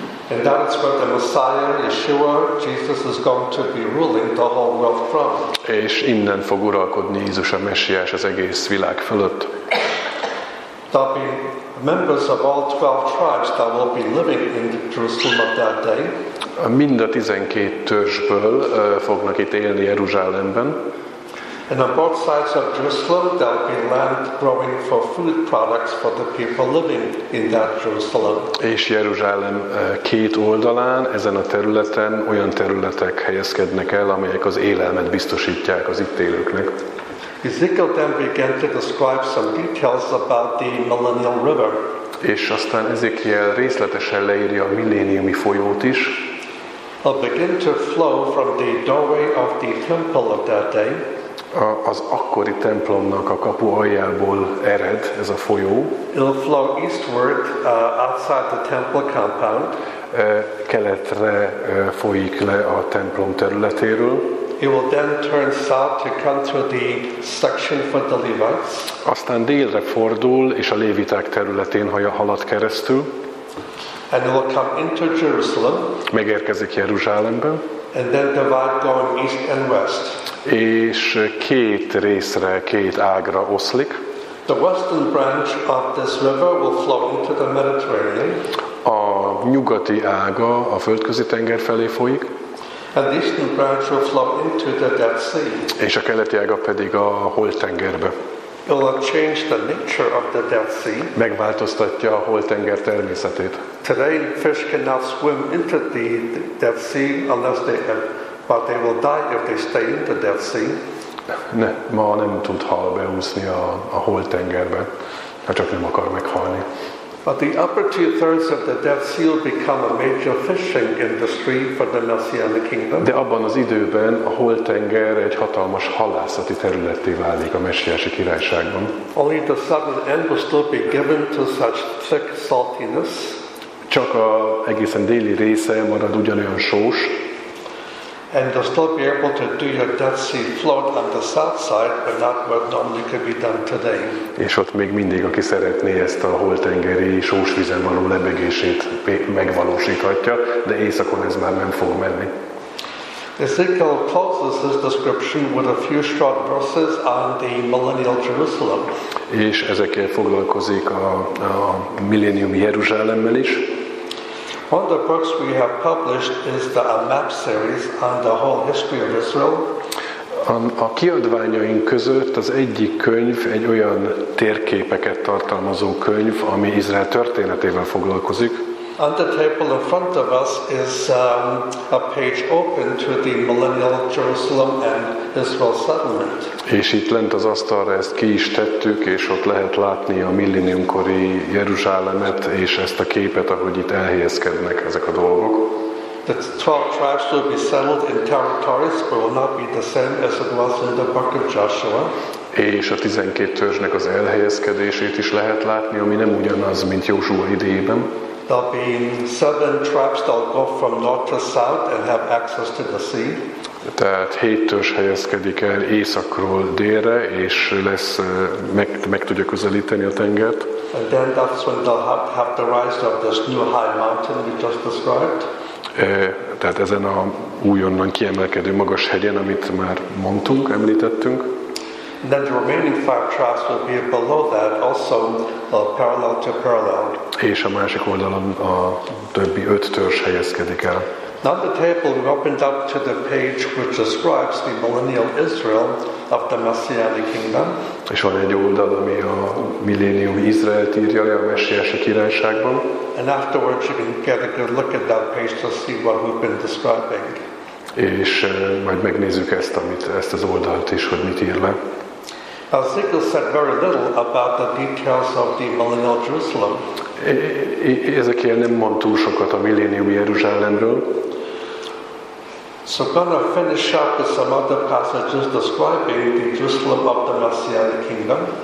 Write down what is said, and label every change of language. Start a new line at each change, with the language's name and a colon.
English: And that is where the Messiah, Yeshua, Jesus is going to be ruling the whole world from.
Hungarian: És innen fog uralkodni Jézus a Messiás az egész világ fölött.
English: There'll be members of all 12 tribes that will be living in Jerusalem of that day.
Hungarian: Mind a 12 törzsből fognak itt élni Jeruzsálemben.
English: And on both sides of Jerusalem, there will be land growing for food products for the people living in that Jerusalem.
Hungarian: És Jeruzsálem két oldalán, ezen a területen olyan területek helyezkednek el, amelyek az élelmet biztosítják az itt élőknek.
English: Ezekiel then began to describe some details about the millennial river.
Hungarian: És aztán Ezekiel részletesen leírja a milléniumi folyót is.
English: It began to flow from the doorway of the temple of that day.
Hungarian: Az akkori templomnak a kapu aljából ered ez a folyó.
English: It'll flow eastward outside the temple compound.
Hungarian: Keletre folyik le a templom területéről.
English: It will then turn south to come to the section for the Levites.
Hungarian: Aztán délre fordul és a léviták területén halad keresztül.
English: And it will come into Jerusalem.
Hungarian: Megérkezik Jeruzsálembe.
English: And then divide going east and west.
Hungarian: És két részre, két ágra oszlik.
English: The western branch of this river will flow into the Mediterranean.
Hungarian: A nyugati ága a földközi tenger felé folyik.
English: And the eastern branch will flow into the Dead Sea.
Hungarian: És a keleti ága pedig a Holttengerbe.
English: It will change the nature of the Dead Sea.
Hungarian: Megváltoztatja a Holttenger természetét.
English: Today, fish cannot swim into the Dead Sea unless they have, but they will die if they stay in the Dead Sea.
Hungarian: Ne, ma nem tud hal beúszni a Holttengerbe, ha csak nem akar meghalni.
English: But the upper two-thirds of the Dead Sea will become a major fishing industry for the Messianic Kingdom.
Hungarian: De abban az időben a Holttenger egy hatalmas halászati területté válik a messiási királyságban.
English: Only the southern end will still be given to such thick saltiness.
Hungarian: Csak a egészen déli része marad ugyanolyan sós.
English: And they'll still be able to do your Dead Sea float on the south side, but not what normally could be done today.
Hungarian: És ott még mindig, aki szeretné ezt a holtengeri sósvízen való lebegését megvalósíthatja, de éjszakon ez már nem fog menni.
English: Ezekiel closes his description with a few short verses on the millennial Jerusalem.
Hungarian: És ezekkel foglalkozik a milléniumi Jeruzsálemmel is.
English: One of the books we have published is the a map series on the whole history of Israel.
Hungarian: A kiadványaink között az egyik könyv egy olyan térképeket tartalmazó könyv, ami Izrael történetével foglalkozik.
English: On the table in front of us is a page open to the millennial Jerusalem and Israel settlement.
Hungarian: És itt lent az asztalra ezt ki is tettük, és ott lehet látni a millenniumkori Jeruzsálemet és ezt a képet, ahogy itt elhelyezkednek ezek a dolgok.
English: The 12 tribes will be settled in territories, but will not be the same as it was in the book of Joshua.
Hungarian: És a 12 törzsnek az elhelyezkedését is lehet látni, ami nem ugyanaz, mint Józsua idejében.
English: There'll be 7 tribes that'll go from north to south and have access to the sea.
Hungarian: Tehát 7 törzs helyezkedik el északról délre, és lesz meg tudja közelíteni a tengert.
English: And then that's when they'll have the rise of this new high mountain we just described.
Hungarian: Tehát ezen a újonnan kiemelkedő magas hegyen, amit már mondtunk, említettünk.
English: And then the remaining 5 tribes will be below that, also parallel to parallel.
Hungarian: És a másik oldalon a többi 5 törzs helyezkedik el.
English: Now the table we opened up to the page which describes the millennial Israel of the Messianic Kingdom.
Hungarian: És van egy oldal, ami a milléniumi Izraelt írja le a messiási királyságban.
English: And afterwards you can get a good look at that page to see what we've been describing.
Hungarian: És majd megnézzük ezt az oldalt is, hogy mit ír le.
English: Ezekiel said very little about the details of the millennial Jerusalem.
Hungarian: Ezekiel nem mond túl sokat a milléniumi Jeruzsálemről.
English: So I'm going to finish up with some other passages describing the Jerusalem of the Messianic Kingdom.